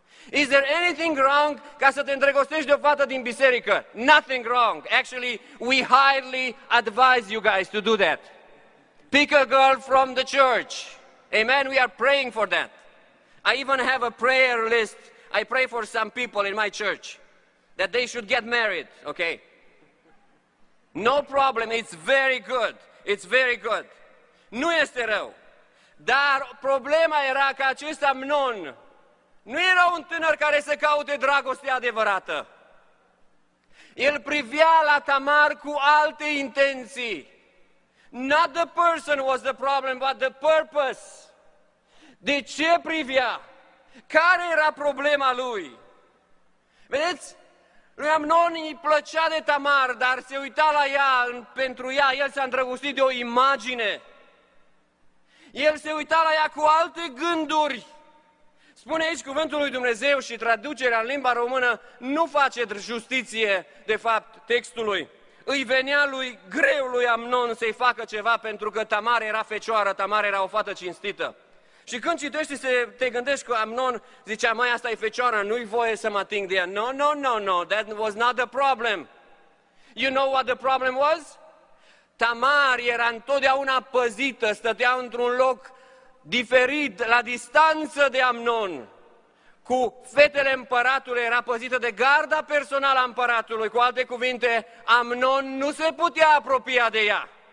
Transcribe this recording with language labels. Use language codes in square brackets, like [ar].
[en] Is there anything wrong [ro] ca să te îndrăgostești de o fată din biserică? [en] Nothing wrong. Actually, we highly advise you guys to do that. Pick a girl from the church. Amen? We are praying for that. I even have a prayer list. I pray for some people in my church that they should get married, okay? No problem, it's very good. [ro] Nu este rău. Dar problema era că acest Amnon nu era un tânăr care să caute dragostea adevărată. El privea la Tamar cu alte intenții. [en] Not the person was the problem, but the purpose. [ro] De ce privea? Care era problema lui? Vedeți? Lui Amnon îi plăcea de Tamar, dar se uita la ea, pentru ea, el s-a îndrăgostit de o imagine. El se uita la ea cu alte gânduri. Spune aici cuvântul lui Dumnezeu și traducerea în limba română nu face justiție, de fapt, textului. Îi venea lui greu lui Amnon să-i facă ceva, pentru că Tamar era fecioară, Tamar era o fată cinstită. Și când citești, te gândești că Amnon zicea, măi, asta e fecioară, nu-i voie să mă ating de ea. [en] No, that was not the problem. You know what the problem was? [ro] Tamar era întotdeauna păzită, stătea într-un loc diferit, la distanță de Amnon. cu fetele împăratului era păzită de garda personală a împăratului. Cu alte cuvinte, Amnon nu se putea apropia de ea.